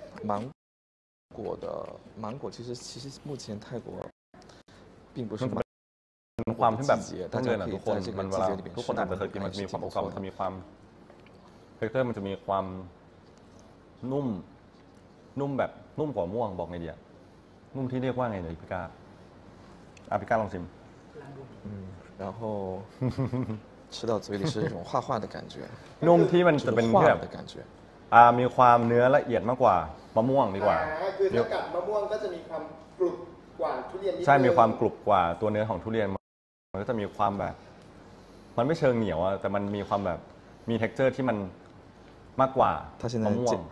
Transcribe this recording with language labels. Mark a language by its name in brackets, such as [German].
[Chinese] มัง果的芒果其实目前泰国并不是芒果的季节，大家可以在这个季节里边吃。 [Thai] ทุกคนอาจจะเคยกินมันมีความกรอบมีความเทคเจอร์มันจะมีความนุ่มนุ่มแบบนุ่มกว่าม่วงบอกไงเดียนุ่มที่เรียกว่าไงเดียพิการอภิการลองชิม [Chinese] 然后吃到嘴里是一种化化的感觉 [Thai] นุ่มที่มันจะเป็นแบบมีความเนื้อละเอียดมากกว่ามะม่วงดีกว่า คือถ้ากับมะม่วงก็จะมีความกรุบกว่าทุเรียนนิดนึงใช่มีความกรุบกว่าตัวเนื้อของทุเรียนมันก็จะมีความแบบมันไม่เชิงเหนียวอ่ะแต่มันมีความแบบมีเท็กเจอร์ที่มันมากกว่ามะม่วง